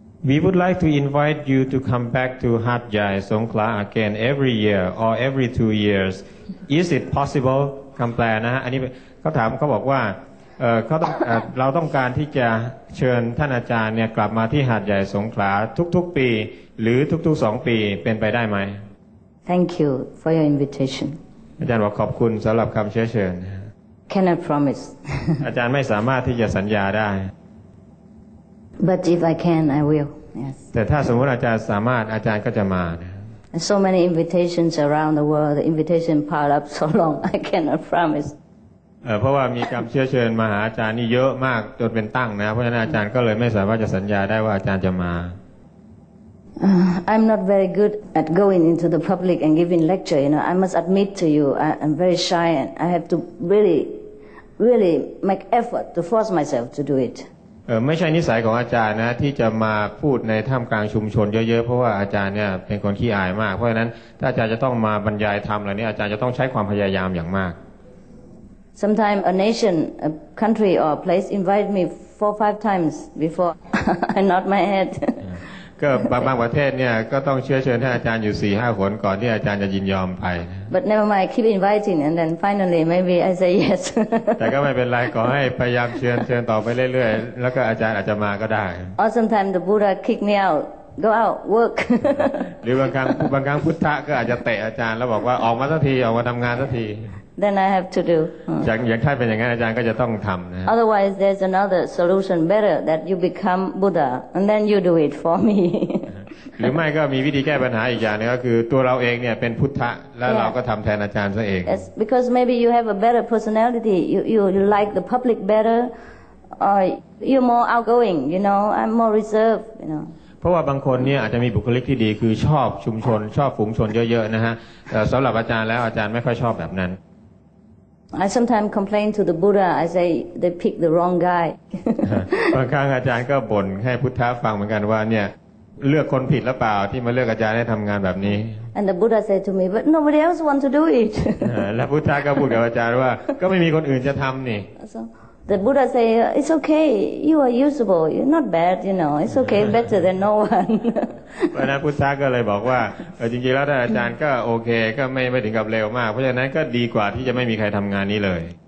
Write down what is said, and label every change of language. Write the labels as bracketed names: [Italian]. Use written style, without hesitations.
[English] We would like to invite you to come back to Hat Yai, Songkhla again every year or every 2 years. Is it possible? [Thai] คำแปลนะฮะอันนี้เขาถามเขาบอกว่าเขาต้องเราต้องการที่จะเชิญท่านอาจารย์เนี่ยกลับมาที่หาดใหญ่สงขลาทุกๆปีหรือทุกๆ2ปีเป็นไปได้ไหม [English] Thank you for your invitation. [Thai] อาจารย์บอกขอบคุณสำหรับคำเชิญ [English] Cannot promise. [Thai] อาจารย์ไม่สามารถที่จะสัญญาได้ [English] But if I can, I will. Yes. [Thai] แต่ถ้าสมมติอาจารย์สามารถอาจารย์ก็จะมา [English] So many invitations around the world. The invitation piled up so long. I cannot promise. [Thai] เพราะว่ามีคำเชิญมาหาอาจารย์นี่เยอะมากจนเป็นตั้งนะเพราะฉะนั้นอาจารย์ก็เลยไม่สามารถจะสัญญาได้ว่าอาจารย์จะมา [English] I'm not very good at going into the public and giving lecture. You know, I must admit to you, I'm very shy and I have to really, really make effort to force myself to do it. [Thai] ไม่ใช่นิสัยของอาจารย์นะที่จะมาพูดในท่ามกลางชุมชนเยอะๆเพราะว่าอาจารย์เนี่ยเป็นคนขี้อายมากเพราะฉะนั้นถ้าอาจารย์จะต้องมาบรรยายธรรมอะไรนี้อาจารย์จะต้องใช้ความพยายามอย่างมาก [English] Sometimes a nation a country or a place invite me 4-5 times before I nod my head [Thai] ก็บางประเทศเนี่ยก็ต้องเชิญให้อาจารย์อยู่ 4-5 หนก่อนที่อาจารย์จะยินยอมไป [English] But never mind keep inviting and then finally maybe I say yes [Thai] แต่ก็ไม่เป็นไรขอให้พยายามเชิญต่อไปเรื่อยๆแล้วก็อาจารย์อาจจะมาก็ได้ [English] Or sometimes the Buddha kick me out go out work [Thai] หรือบางครั้งพุทธะก็อาจจะเตะอาจารย์แล้วบอกว่าออกมาสักทีออกมาทำงานสักที [English] Then I have to do [Thai] อย่างถ้าเป็นอย่างนั้นอาจารย์ก็จะต้องทำนะ [English] Otherwise there's another solution better that you become Buddha and then you do it for me [Thai] หรือไม่ก็มีวิธีแก้ปัญหาอีกอย่างนึงก็คือตัวเราเองเนี่ยเป็นพุทธะแล้ว [English] yeah. [Thai] เราก็ทำแทนอาจารย์ซะเอง [English] yes, because maybe you have a better personality you like the public better or you're more outgoing you know I'm more reserved you know [Thai] เพราะว่าบางคนเนี่ยอาจจะมีบุคลิกที่ดีคือชอบชุมชนชอบฝูงชนเยอะๆนะฮะสำหรับอาจารย์แล้วอาจารย์ไม่ค่อยชอบแบบนั้น [English] I sometimes complain to the Buddha. I say they pick the wrong guy. [Thai] บางครั้งอาจารย์ก็บ่นให้พุทธะฟังเหมือนกันว่าเนี่ยเลือกคนผิดหรือเปล่าที่มาเลือกอาจารย์ให้ทำงานแบบนี้ [English] And the Buddha said to me, but nobody else want to do it. [Thai] และพุทธะก็พูดกับอาจารย์ว่าก็ไม่มีคนอื่นจะทำนี่ [English] So the Buddha say it's okay. You are usable. You're not bad. You know, it's okay. Better than no one. [Thai] เพราะนั้นพุทธะก็เลยบอกว่าจริงๆแล้วถ้าอาจารย์ก็โอเคก็ไม่ถึงกับเร็วมากเพราะฉะนั้นก็ดีกว่าที่จะไม่มีใครทำงานนี้เลย